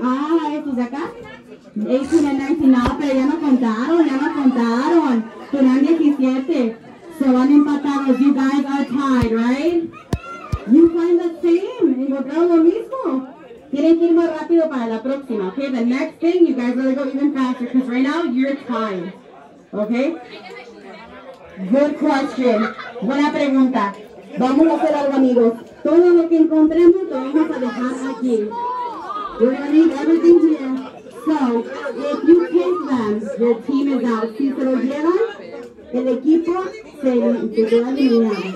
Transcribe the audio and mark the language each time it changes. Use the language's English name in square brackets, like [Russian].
[Spanish] Ah, estos de acá. [English] 18 and 19, [Spanish] no, pero ya no contaron, ya no contaron. Tienen 17. [English] So [Spanish] van empatados. [English] You guys are tied, right? You find the same. [Spanish] Encontraron lo mismo. Tienen que ir más rápido para la próxima, okay? [English] The next thing, you guys really go even faster, because right now, you're tied, okay? Good question. [Spanish] Buena pregunta. Vamos a hacer algo, amigos. Todo lo que encontremos, lo vamos a dejar aquí. [English] We're gonna leave everything here. So, if you take them, your team is out. [Spanish] Si se lo llevan, el equipo se lleva a eliminar.